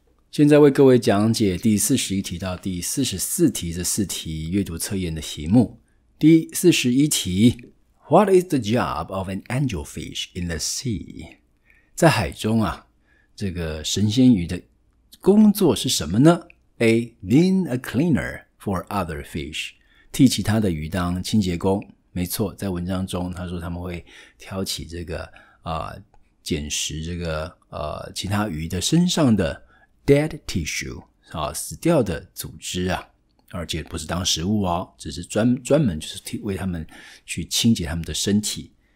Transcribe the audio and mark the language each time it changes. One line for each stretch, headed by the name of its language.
Chinese: 现在为各位讲解第41题到第44题这四题阅读测验的题目。
English: 第41题 What is the job of an angelfish in the sea?
Chinese: 在海中啊，这个神仙鱼的工作是什么呢？
English: A. Being a cleaner for other fish，
Chinese: 替其他的鱼当清洁工。没错，在文章中他说他们会挑起这个捡拾这个其他鱼的身上的 dead tissue 啊，死掉的组织啊，而且不是当食物哦，只是专门就是为他们去清洁他们的身体。